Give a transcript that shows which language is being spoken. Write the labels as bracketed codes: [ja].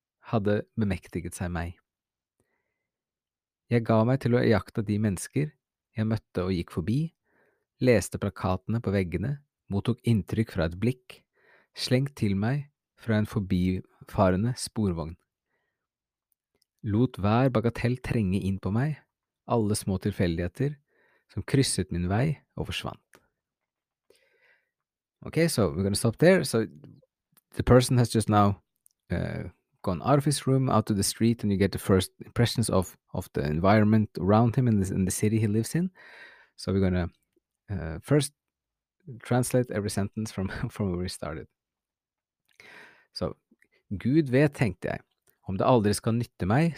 [no] hadde bemektiget seg meg. Jeg ga meg til å jakte de mennesker jeg møtte og gikk forbi, leste plakatene på veggene, mottok inntrykk fra et blikk, slengt til meg fra en forbifarende sporvogn. Lot hver bagatell trenge inn på meg, alle små tilfeldigheter som krysset min vei og forsvant. [en] Okay, so we're going to stop there. So the person has just now gone out of his room, out to the street, and you get the first impressions of the environment around him in the city he lives in. So we're going to first translate every sentence from where we started. [no] So, Gud vet, tenkte jeg, om det aldri skal nytte meg.